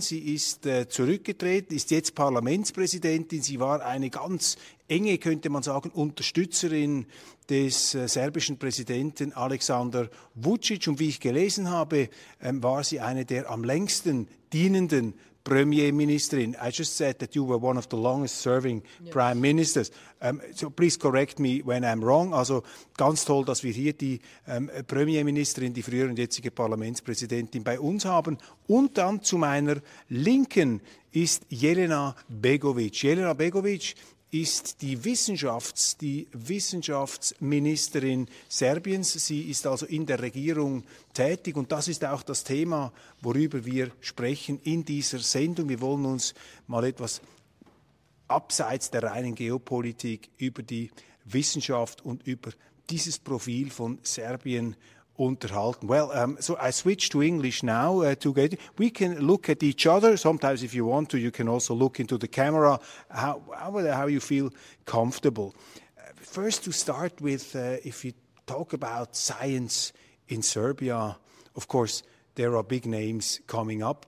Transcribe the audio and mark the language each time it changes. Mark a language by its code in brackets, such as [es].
[de] Sie ist zurückgetreten, ist jetzt Parlamentspräsidentin. Sie war eine ganz enge, könnte man sagen, Unterstützerin des serbischen Präsidenten Aleksandar Vučić. Und wie ich gelesen habe, war sie eine der am längsten dienenden Premierministerin. [en] I just said that you were one of the longest serving Prime Ministers. So please correct me when I'm wrong. [de] Also ganz toll, dass wir hier die Premierministerin, die frühere und jetzige Parlamentspräsidentin bei uns haben. Und dann zu meiner Linken ist Jelena Begovic. Jelena Begovic ist die Wissenschaftsministerin Serbiens. Sie ist also in der Regierung tätig. Und das ist auch das Thema, worüber wir sprechen in dieser Sendung. Wir wollen uns mal etwas abseits der reinen Geopolitik über die Wissenschaft und über dieses Profil von Serbien unterhalten. [en] Well, so I switch to English now to get it. We can look at each other. Sometimes if you want to, you can also look into the camera, how you feel comfortable. First to start with, if you talk about science in Serbia, of course, there are big names coming up.